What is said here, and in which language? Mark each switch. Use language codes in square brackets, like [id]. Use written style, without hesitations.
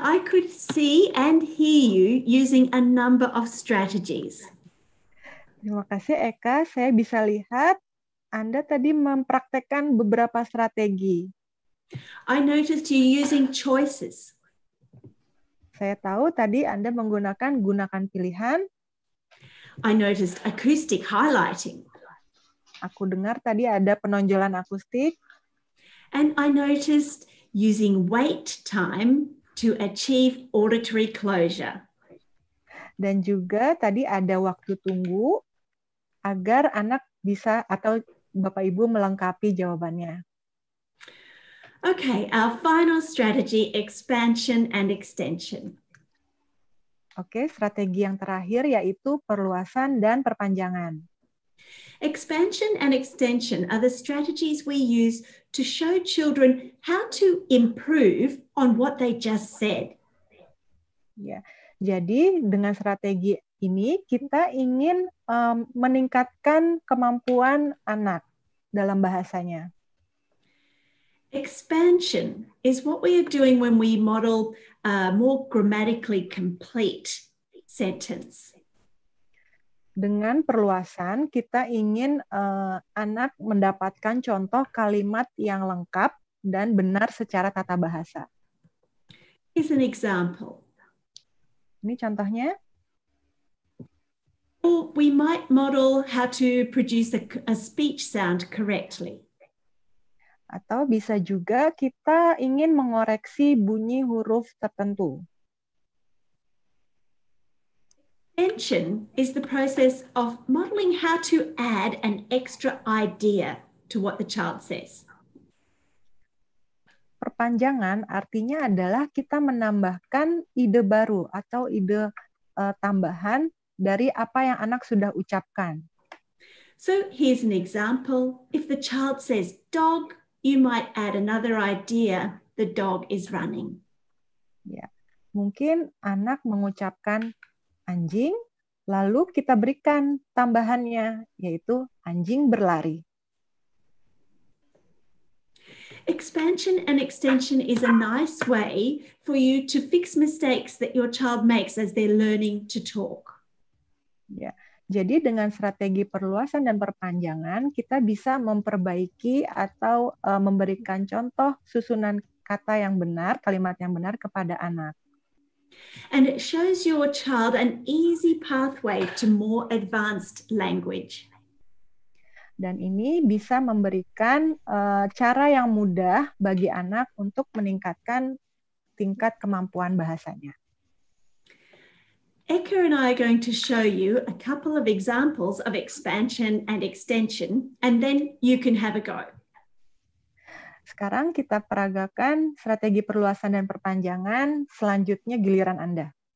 [en] I could see and hear you using a number of strategies. [id] Terima kasih, Eka. Saya bisa lihat Anda tadi mempraktekkan beberapa strategi. [en] I noticed you using choices. [id] Saya tahu tadi Anda menggunakan gunakan pilihan. [en] I noticed acoustic highlighting. [id] Aku dengar tadi ada penonjolan akustik. [en] And I noticed using wait time to achieve auditory closure. [id] Dan juga tadi ada waktu tunggu agar anak bisa atau Bapak Ibu melengkapi jawabannya. [en] Okay, our final strategy, expansion and extension. [id] Okay, strategi yang terakhir yaitu perluasan dan perpanjangan. [en] Expansion and extension are the strategies we use to show children how to improve on what they just said. Yeah. [id] Jadi dengan strategi ini kita ingin meningkatkan kemampuan anak dalam bahasanya. [en] Expansion is what we are doing when we model a more grammatically complete sentence. [id] Dengan perluasan, kita ingin anak mendapatkan contoh kalimat yang lengkap dan benar secara tata bahasa. [en] Here's an example. [id] Ini contohnya. [en] Or we might model how to produce a speech sound correctly. [id] Atau bisa juga kita ingin mengoreksi bunyi huruf tertentu. [en] Extension is the process of modeling how to add an extra idea to what the child says. [id] Perpanjangan artinya adalah kita menambahkan ide baru atau ide tambahan dari apa yang anak sudah ucapkan. [en] So here's an example. If the child says dog, you might add another idea, the dog is running. [id] Ya, mungkin anak mengucapkan anjing, lalu kita berikan tambahannya, yaitu anjing berlari. [en] Expansion and extension is a nice way for you to fix mistakes that your child makes as they're learning to talk. [id] Ya, jadi dengan strategi perluasan dan perpanjangan, kita bisa memperbaiki atau memberikan contoh susunan kata yang benar, kalimat yang benar kepada anak. [en] And it shows your child an easy pathway to more advanced language. [id] Dan ini bisa memberikan cara yang mudah bagi anak untuk meningkatkan tingkat kemampuan bahasanya. [en] Eka and I are going to show you a couple of examples of expansion and extension, and then you can have a go. [id] Sekarang kita peragakan strategi perluasan dan perpanjangan. Selanjutnya giliran Anda.